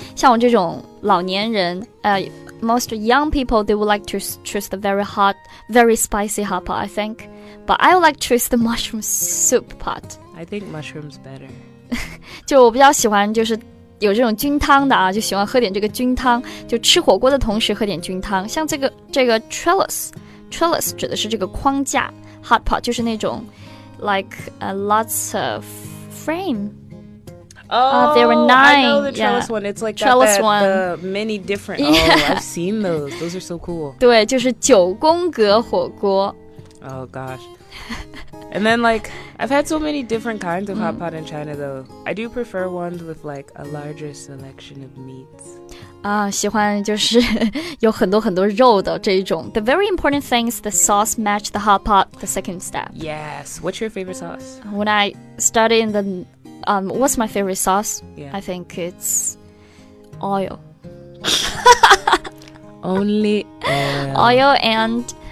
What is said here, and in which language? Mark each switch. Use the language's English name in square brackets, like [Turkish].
[Chinese] 像我这种老年人， [English] most young people they would like to choose the very hot, very spicy hot pot, I think. But I would like to choose the mushroom soup pot. I think mushroom's better. [Chinese] 就我比较喜欢就是。有这种菌汤的啊，就喜欢喝点这个菌汤，就吃火锅的同时喝点菌汤。像这个 trellis 指的是这个框架 ，hot pot 就是那种 [English] like lots of frame. There were nine. I know the trellis one. It's like trellis one. The many different. Oh, I've seen those. Those are so cool. [Chinese] 对，就是九宫格火锅。 [English] Oh gosh. And then, like, I've had so many different kinds of hot pot in China, though. I do prefer ones with, like, a larger selection of meats. [Chinese] 喜欢就是有很多很多肉的这一种。 [English] The very important thing is the sauce match the hot pot, the second step. Yes. What's your favorite sauce? When I started in what's my favorite sauce? Yeah. I think it's oil. Only oil. Oil and...